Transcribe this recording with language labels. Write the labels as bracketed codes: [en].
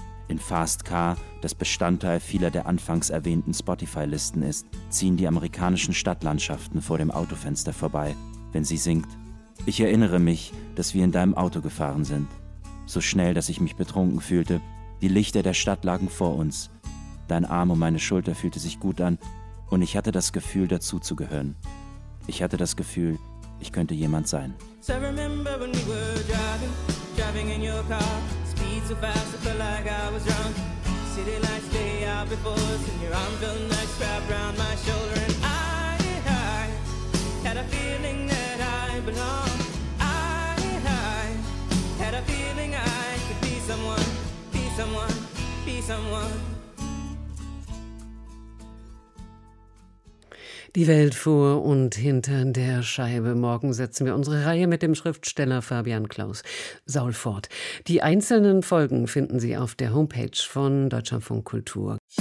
[de] In Fast Car, das Bestandteil vieler der anfangs erwähnten Spotify-Listen ist, ziehen die amerikanischen Stadtlandschaften vor dem Autofenster vorbei, wenn sie singt: Ich erinnere mich, dass wir in deinem Auto gefahren sind. So schnell, dass ich mich betrunken fühlte. Die Lichter der Stadt lagen vor uns. Dein Arm um meine Schulter fühlte sich gut an und ich hatte das Gefühl, dazuzugehören. Ich hatte das Gefühl, ich könnte jemand sein. [en] So I remember when we were driving in your car. So fast, I felt like I was drunk. City lights lay out before us, and your arm felt nice wrapped around my shoulder. And I had a feeling that I belonged. I had a feeling I could be someone, be someone, be someone. [de] Die Welt vor und hinter der Scheibe. Morgen setzen wir unsere Reihe mit dem Schriftsteller Fabian Klaus Saul fort. Die einzelnen Folgen finden Sie auf der Homepage von Deutschlandfunk Kultur.